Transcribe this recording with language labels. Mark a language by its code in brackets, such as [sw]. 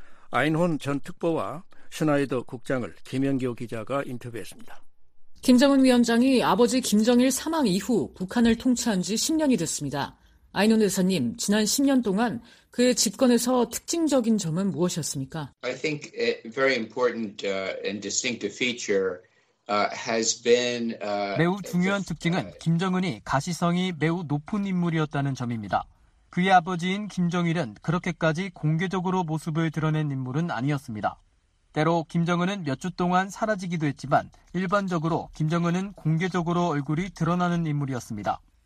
[ko] 아인혼 전 특보와 슈나이더 국장을 김연교 기자가 인터뷰했습니다. 김정은 위원장이 아버지 김정일 사망 이후 북한을 통치한 지 10년이 됐습니다. 아인혼 의사님, 지난 10년 동안 그의 집권에서 특징적인 점은 무엇이었습니까? [en] I think a very important and distinctive feature has been [ko] 매우 중요한 특징은 김정은이 가시성이 매우 높은 인물이었다는 점입니다. 그의 아버지인 김정일은 그렇게까지 공개적으로 모습을 드러낸 인물은 아니었습니다. 때로 김정은은 몇 주 동안 사라지기도 했지만 일반적으로 김정은은 공개적으로 얼굴이 드러나는 인물이었습니다.